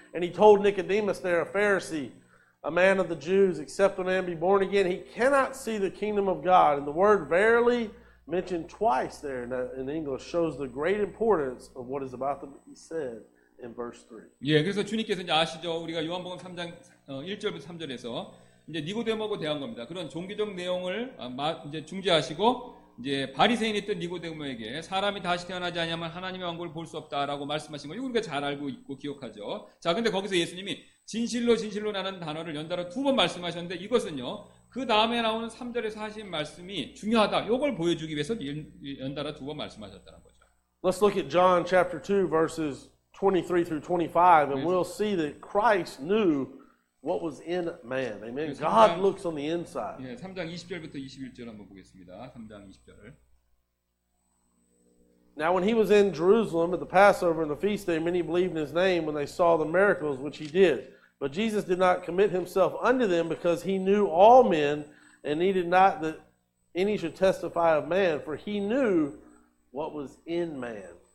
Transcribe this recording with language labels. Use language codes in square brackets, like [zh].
[en] And he told Nicodemus there, a Pharisee, a man of the Jews, except a man be born again, he cannot see the kingdom of God. And the word verily mentioned twice there in English shows the great importance of what is about to be said in verse 3. [ko] 예, 그래서 주님께서 이제 아시죠? 우리가 요한복음 3장 1절부터 3절에서 이제 니고데모하고 대한 겁니다. 그런 종교적 내용을 이제 중지하시고 이제 바리새인이 있던 니고데모에게 사람이 다시 태어나지 않으면 하나님의 왕국을 볼 수 없다라고 말씀하신 거 이거 우리가 잘 알고 있고 기억하죠. 자, 근데 거기서 예수님이 진실로 진실로 나는 단어를 연달아 두 번 말씀하셨는데 이것은요. 그 다음에 나오는 3절에서 하신 말씀이 중요하다. 이걸 보여주기 위해서 연달아 두 번 말씀하셨다는 거죠. [en] Let's look at John chapter 2 verses 23 through 25 and we'll see that Christ knew what was in man. Amen. God looks on the inside. [ko] 예, 3장 20절부터 21절 한번 보겠습니다. 3장 20절을. [en] Now when he was in Jerusalem at the Passover and the feast day, many believed in his name when they saw the miracles which he did. But Jesus did not commit himself unto them because he knew all men and needed not that any should testify of man, for he knew what was in man.